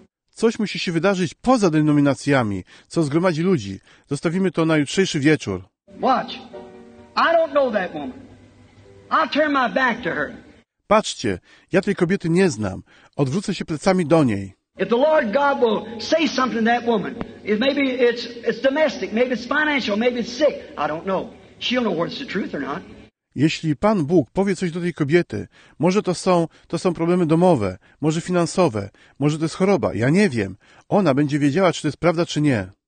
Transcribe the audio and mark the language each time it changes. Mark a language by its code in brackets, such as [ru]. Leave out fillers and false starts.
[pl] Coś musi się wydarzyć poza denominacjami, co zgromadzi ludzi. Zostawimy to na jutrzejszy wieczór. [en] Watch. I don't know that woman. I'll turn my back to her. [pl] Patrzcie, ja tej kobiety nie znam. Odwrócę się plecami do niej. [en] If the Lord God will say something to that woman, if maybe it's domestic, maybe it's financial, maybe it's sick, I don't know. She'll know what's the truth or not. [pl] Jeśli Pan Bóg powie coś do tej kobiety, może to są problemy domowe, może finansowe, może to jest choroba, ja nie wiem. Ona będzie wiedziała, czy to jest prawda, czy nie.